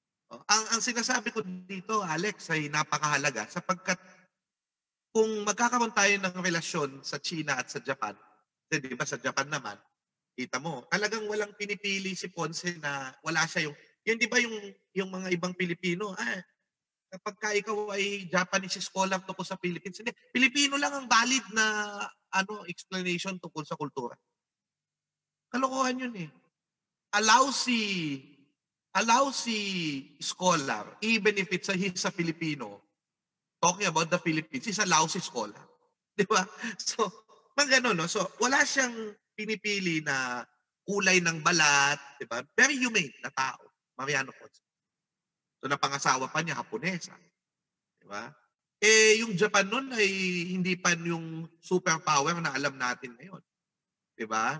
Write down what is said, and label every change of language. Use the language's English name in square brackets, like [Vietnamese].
[Filipino] Ang sinasabi ko dito, Alex, ay napakahalaga sapagkat kung magkakaroon tayo ng relasyon sa China at sa Japan, di ba sa Japan naman, kita mo, talagang walang pinipili si Ponce na wala siya yung... Yan di ba yung mga ibang Pilipino, kapag ka ikaw ay Japanese scholar tungkol sa Philippines, hindi, Pilipino lang ang valid na explanation tungkol sa kultura. Kalokohan yun eh. [English] Allow si scholar, even if it's he's a Filipino, talking about the Philippines, he's a lousy scholar. [Filipino] Di ba? So, mang gano'n, no? So, wala siyang pinipili na kulay ng balat, di ba? [English] Very humane [Filipino] na tao, Mariano Ponce. So, napangasawa pa niya, Japonesa. Di ba? Yung Japan nun ay hindi pa yung superpower na alam natin ngayon. Di ba?